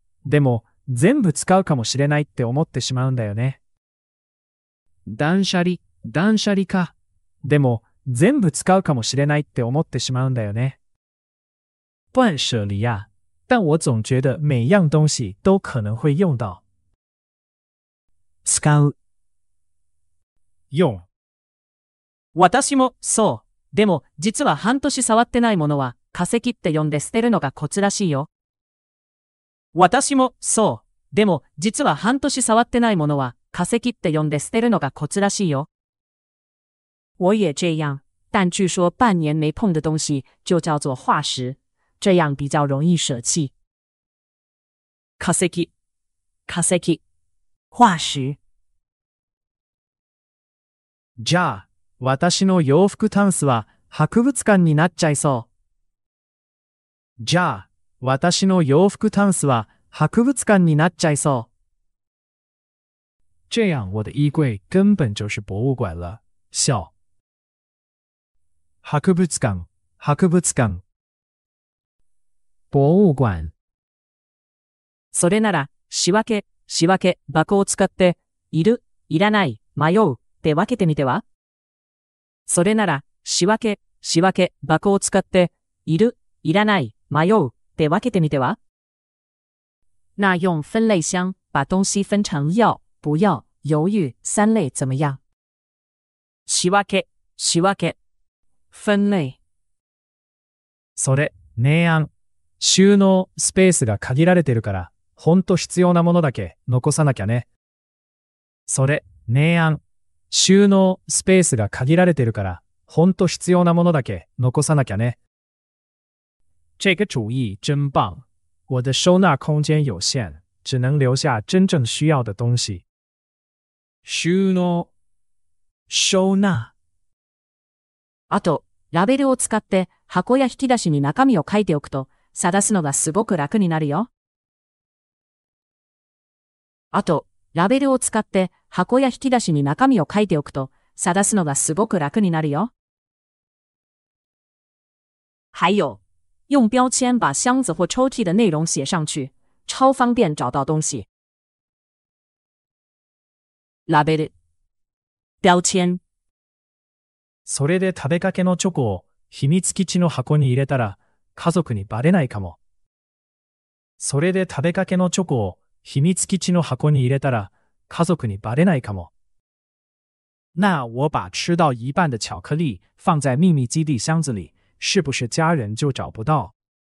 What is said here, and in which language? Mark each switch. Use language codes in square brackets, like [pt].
[ja] でも、全部使うかもしれないって思ってしまうんだよね。断捨離か。でも、全部使うかもしれないって思ってしまうんだよね。 [zh] 断捨離呀。但我总觉得每样东西都可能会用到。 [ja] 私も、そう。でも、実は半年触ってないものは、化石って呼んで捨てるのがコツらしいよ。 [zh] 我也这样。但据说半年没碰的东西、就叫做化石。这样比较容易舍弃。化石。化石。 [ja] じゃあ、私の洋服タンスは博物館になっちゃいそう。じゃあ、私の洋服タンスは博物館になっちゃいそう。 [zh] 这样我的衣柜根本就是博物馆了。笑。 [ja] 博物館、博物館。博物館。それなら、仕分け、仕分け、箱を使って、いる、いらない、迷う、で分けてみては。それなら、仕分け、仕分け、箱を使って、いる、いらない、迷う、で分けてみては。 [zh] 那用分类箱、把东西分成要、不要、犹豫、三类怎么样。 [ja] 仕分け、仕分け。分类。それ、明暗。収納、スペースが限られてるから、ほんと必要なものだけ、残さなきゃね。それ、明暗。収納、スペースが限られてるから、ほんと必要なものだけ、残さなきゃね。 [zh] 这个主意真棒。我的收納空間有限、只能留下真正需要的东西。 [ja] 収納、 [zh] 收納。 [ja] あと、ラベルを使って、箱や引き出しに中身を書いておくと、探すのがすごく楽になるよ。あと、ラベルを使って、箱や引き出しに中身を書いておくと、探すのがすごく楽になるよ。 [zh] 还有、用标签把箱子或抽屉的内容写上去、超方便找到东西。 [ja] ラベル、标签。それで食べかけのチョコを秘密基地の箱に入れたら、家族にバレないかも。それで食べかけのチョコを秘密基地の箱に入れたら、家族にバレないかも。 [zh] 那我把吃到一半的巧克力放在秘密基地箱子里、是不是家人就找不到？